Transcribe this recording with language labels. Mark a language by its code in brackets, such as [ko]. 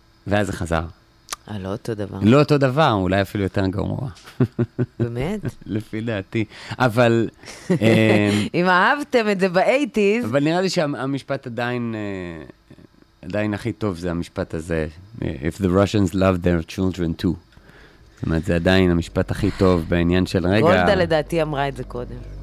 [he] ואז זה חזר. לא אותו דבר. לא אותו דבר, אולי אפילו יותר גרוע. באמת? לפי דעתי. אבל... אם אהבתם את זה ב-80s... אבל נראה לי שהמשפט עדיין... עדיין הכי טוב זה המשפט הזה. [en] If the Russians love their children too. [he] זאת אומרת, זה עדיין המשפט הכי טוב בעניין של רגע... גולדה לדעתי אמרה את זה קודם.